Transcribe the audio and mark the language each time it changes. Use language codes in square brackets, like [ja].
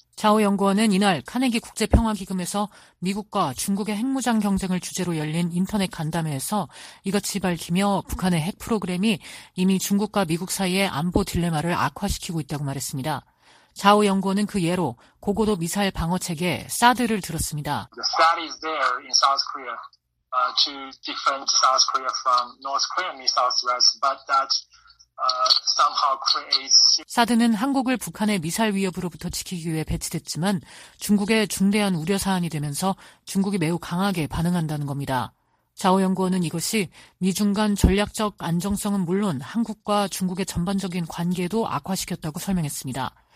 [ko] 자오 연구원은 이날 카네기 국제평화기금에서 미국과 중국의 핵무장 경쟁을 주제로 열린 인터넷 간담회에서 이같이 밝히며 북한의 핵 프로그램이 이미 중국과 미국 사이의 안보 딜레마를 악화시키고 있다고 말했습니다. 자오 연구원은 그 예로 고고도 미사일 방어 체계 사드를 들었습니다. [en] The threat is there in South Korea to defend South Korea from North Korean missile threats, but that somehow creates. [ko] 사드는 한국을 북한의 미사일 위협으로부터 지키기 위해 배치됐지만 중국의 중대한 우려 사안이 되면서 중국이 매우 강하게 반응한다는 겁니다. 자오 연구원은 이것이 미중 간 전략적 안정성은 물론 한국과 중국의 전반적인 관계도 악화시켰다고 설명했습니다.